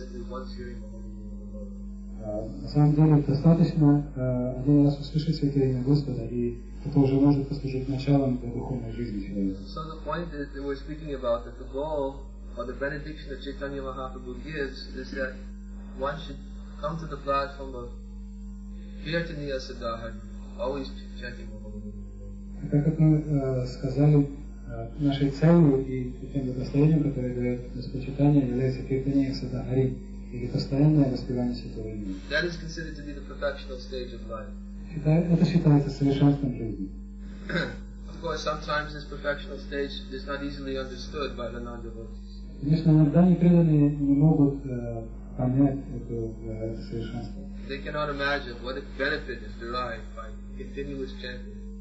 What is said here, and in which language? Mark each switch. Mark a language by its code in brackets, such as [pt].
[ru] На самом деле достаточно один раз услышать святое имя Господа, и это уже может послужить началом для духовной жизни человека. [en] So the point that we're speaking about, that the goal or the benediction that Chaitanya Mahaprabhu gives is that one should come to the platform of Kirtaniya Siddharth, always chanting the holy name. [ru] Как мы сказали, нашей целью и тем благословением, которое дает Господь Чайтанья, является Киртания Сиддхари, или постоянное воспевание святого имени. [en] That is considered to be the perfectional stage of life. [ru] Это считается совершенством жизни. [en] Of course, sometimes this perfectional stage is not easily understood by the non-devotees. [ru] Конечно, иногда непреданные не могут понять это совершенство. [en] They cannot imagine what benefit is derived by continuous chanting.